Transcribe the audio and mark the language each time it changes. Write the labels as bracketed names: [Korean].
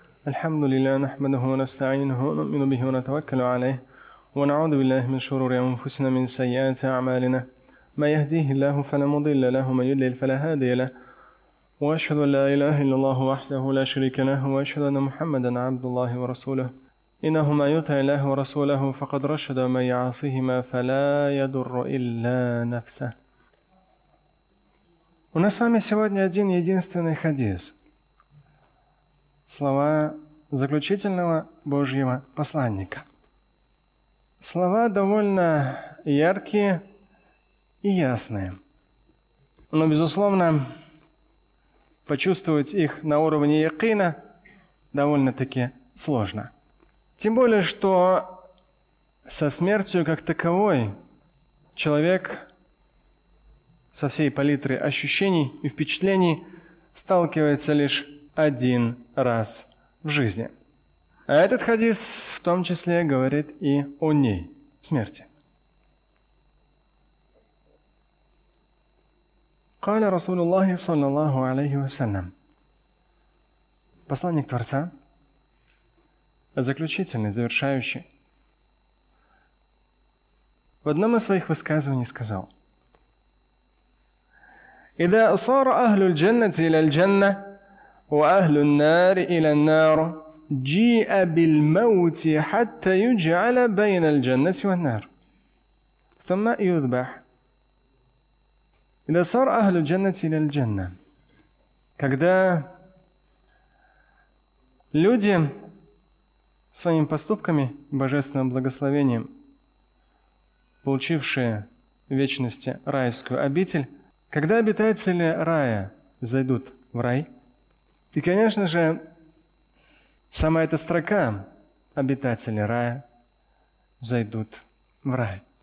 [Arabic] الحمد لله نحمده ونستعينه ونؤمن به ونتوكل عليه ونعوذ بالله من شرور أنفسنا من سيئات أعمالنا، ما يهديه الله فلا مضل له ومن يضلل فلا هادي له، وأشهد أن لا إله إلا الله وحده لا شريك له وأشهد أن محمدا عبد الله ورسوله، إنه من يطع الله ورسوله فقد رشد ومن يعصهما فلا يضر إلا نفسه. [Russian] У нас с вами сегодня один единственный хадис. Слова заключительного Божьего посланника. Слова довольно яркие и ясные. Но, безусловно, почувствовать их на уровне якина довольно-таки сложно. Тем более, что со смертью как таковой человек со всей палитрой ощущений и впечатлений сталкивается лишь один раз в жизни. А этот хадис в том числе говорит и о ней, смерти. [Arabic] قال رسول الله صلى الله عليه وسلم. [Russian] Посланник Творца, заключительный, завершающий, в одном из своих высказываний сказал: [Arabic] إذا صار أهل الجنة إلى الجنة وأهل النار إلى النار جيء بالموت حتى يجعل بين الجنة والنار ثم يذبح. إذا صار أهل الجنة إلى الجنة. [Russian] Когда люди своими поступками, божественным благословением, получившие в вечности райскую обитель, когда обитатели рая зайдут в рай, и, конечно же, сама эта строка «обитатели рая зайдут в рай».